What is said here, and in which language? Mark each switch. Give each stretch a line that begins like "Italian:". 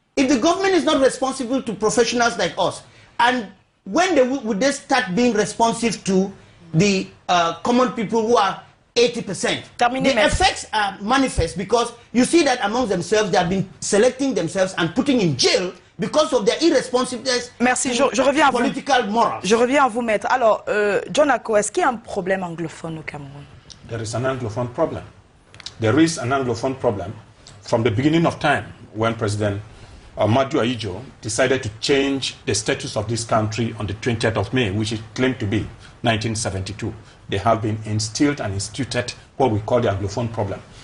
English: If the government is not responsible to professionals like us, and when they would they start being responsive to the common people who are 80%?
French: Terminé, the maître.
English: Effects are manifest because you see that among themselves, they have been selecting themselves and putting in jail because of their irresponsiveness.
French: Merci. Je reviens à vous.
English: Political morals.
French: Je reviens à vous, maître. Alors, John Akoh, est-ce qu'il y a un problème anglophone au Cameroun?
English: There is an anglophone problem. There is an anglophone problem from the beginning of time when President Ahmadou Ahidjo decided to change the status of this country on the 20th of May, which it claimed to be 1972. They have been instilled and instituted what we call the Anglophone problem.